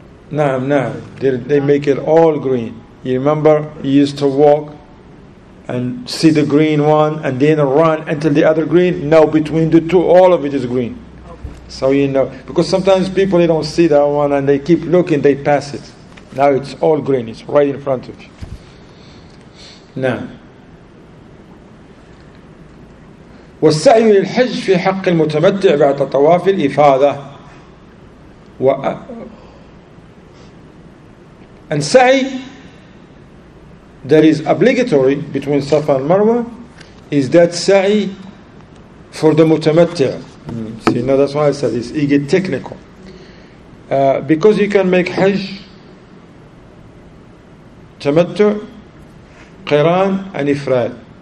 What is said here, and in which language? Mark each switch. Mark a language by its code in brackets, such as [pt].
[en] They make it all green. You remember you used to walk and see the green one, and then run until the other green. Now between the two, all of it is green. Okay. So you know, because sometimes people, they don't see that one, and they keep looking, they pass it. Now it's all green, it's right in front of you. Now. [ar] والسعي للحج في حق المتمتع بعد طواف الإفاضة و... [en] And سعي that is obligatory between Safa and Marwa is that Sa'i for the Mutamatti'. See, now that's why I said this, it gets technical. Because you can make Hajj, Tamattu', Qiran, and Ifrad.